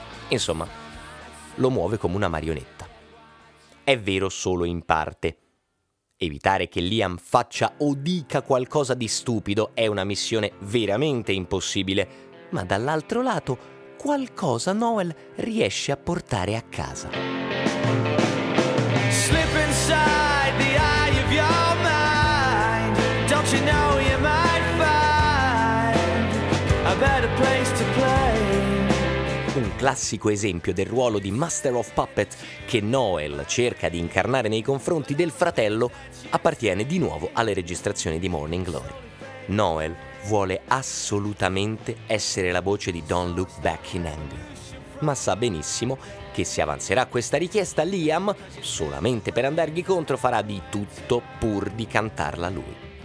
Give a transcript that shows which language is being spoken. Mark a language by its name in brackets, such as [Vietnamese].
[Italian] Insomma, lo muove come una marionetta. È vero solo in parte. Evitare che Liam faccia o dica qualcosa di stupido è una missione veramente impossibile, ma dall'altro lato qualcosa Noel riesce a portare a casa. [English] Slip inside the eye of your mind, don't you know you might find a better place to play. [Italian] Un classico esempio del ruolo di Master of Puppets che Noel cerca di incarnare nei confronti del fratello appartiene di nuovo alle registrazioni di Morning Glory. Noel vuole assolutamente essere la voce di Don't Look Back in Anger, ma sa benissimo che se avanzerà questa richiesta Liam, solamente per andargli contro, farà di tutto pur di cantarla lui.